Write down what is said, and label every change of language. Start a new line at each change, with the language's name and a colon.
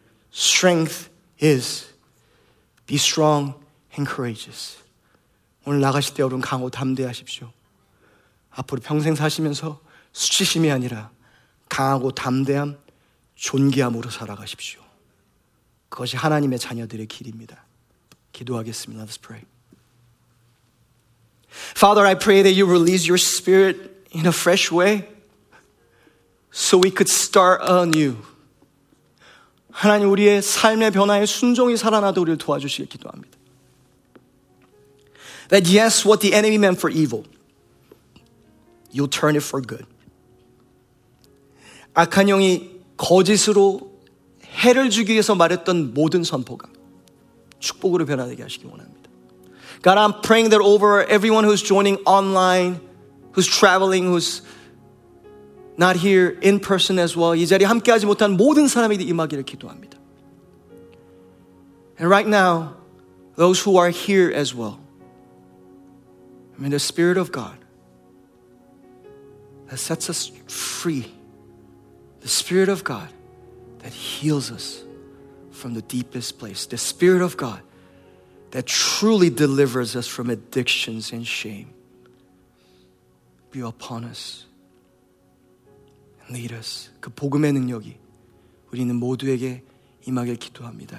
English: Strength is. Be strong and courageous.
Korean: 오늘 나가실 때 여러분 강하고 담대하십시오. 앞으로 평생 사시면서 수치심이 아니라 강하고 담대한 존귀함으로 살아가십시오. 그것이 하나님의 자녀들의 길입니다. 기도하겠습니다.
English: Let's pray. Father, I pray that you release your spirit in a fresh way so we could start anew.
Korean: 하나님 우리의 삶의 변화에 순종이 살아나도 우리를 도와주시길 기도합니다.
English: That yes, what the enemy meant for evil, you'll turn it for good.
Korean: 악한 영이 거짓으로 해를 주기 위해서 말했던 모든 선포가 축복으로 변화되게 하시기 원합니다.
English: God, I'm praying that over everyone who's joining online, who's traveling, who's not here in person as well.
Korean: 이 자리에 함께하지 못한 모든 사람에게 임하기를 기도합니다.
English: And right now, those who are here as well. I mean, the Spirit of God that sets us free. The Spirit of God that heals us from the deepest place. The Spirit of God that truly delivers us from addictions and shame. Be upon us. Lead us.
Korean: 그 복음의 능력이 우리는 모두에게 임하길 기도합니다.